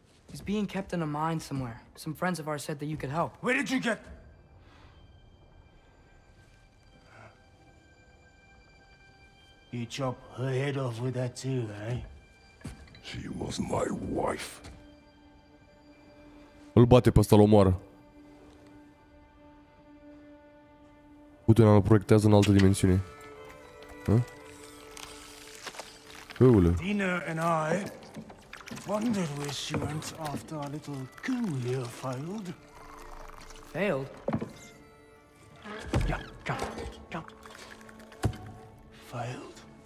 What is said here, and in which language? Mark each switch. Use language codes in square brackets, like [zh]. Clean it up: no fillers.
[en] He's being kept in a mine somewhere. Some friends of ours said that you could help. Where did you get? You chop her head off with that too, eh? She was my wife. [ro] Îl bate pe ăsta, îl omoară. Putem să proiectează în altă dimensiune. Hă? [en] Dina and I wondered where she went after our little coup here failed. Failed? Yeah, come. Failed?